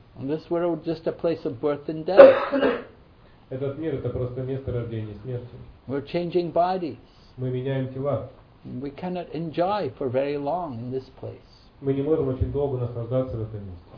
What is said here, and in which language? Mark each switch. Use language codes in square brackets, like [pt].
[en] This world just a place of birth and death. [ru] Этот мир — это просто место рождения и смерти. [en] We're changing bodies. [ru] Мы меняем тела. [en] We cannot enjoy for very long in this place. [ru] Мы не можем очень долго наслаждаться в этом месте.